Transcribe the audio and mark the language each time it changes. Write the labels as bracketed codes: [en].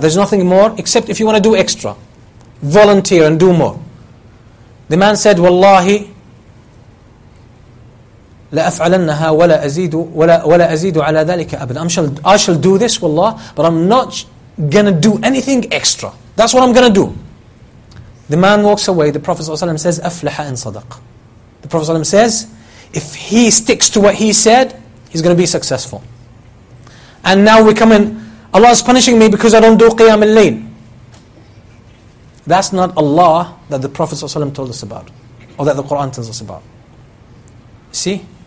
[en] There's nothing more except if you want to do extra. Volunteer and do more. The man said, wallahi, [ar] لَأَفْعَلَنَّهَا وَلَا أَزِيدُ عَلَىٰ ذَلِكَ أَبْدًا. [en] I shall do this, wallah, but I'm not going to do anything extra. That's what I'm going to do. The man walks away. The Prophet ﷺ says, [ar] أَفْلَحَ إِنْ صَدَقَ. [en] The Prophet ﷺ says, if he sticks to what he said, he's going to be successful. And now we come in, Allah is punishing me because I don't do Qiyam al-Layl. That's not Allah that the Prophet ﷺ told us about, or that the Quran tells us about. See?